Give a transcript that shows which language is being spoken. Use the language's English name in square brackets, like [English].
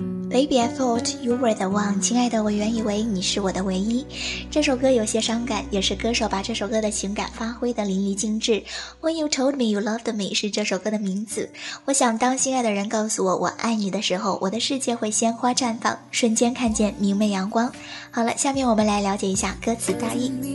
[English] Maybe I thought you were the one， [Chinese] 亲爱的，我原以为你是我的唯一。这首歌有些伤感，也是歌手把这首歌的情感发挥得淋漓尽致。 When you told me you loved me 是这首歌的名字。我想当心爱的人告诉我我爱你的时候，我的世界会鲜花绽放，瞬间看见明媚阳光。好了，下面我们来了解一下歌词大意。